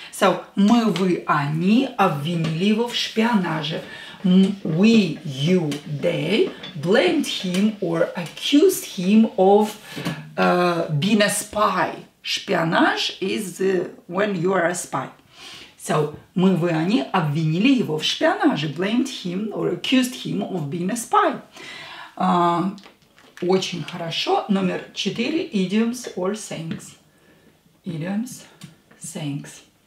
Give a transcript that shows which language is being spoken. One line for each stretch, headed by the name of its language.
Russian: So, мы, вы, они обвинили его в шпионаже.
English: We, you, they blamed him or accused him of being a spy. Шпионаж is when you are a spy.
Russian: So, мы, вы, они обвинили его в шпионаже.
English: Blamed him or accused him of being a spy.
Russian: Очень хорошо. Номер 4.
English: Idioms or sayings. Idioms, sayings.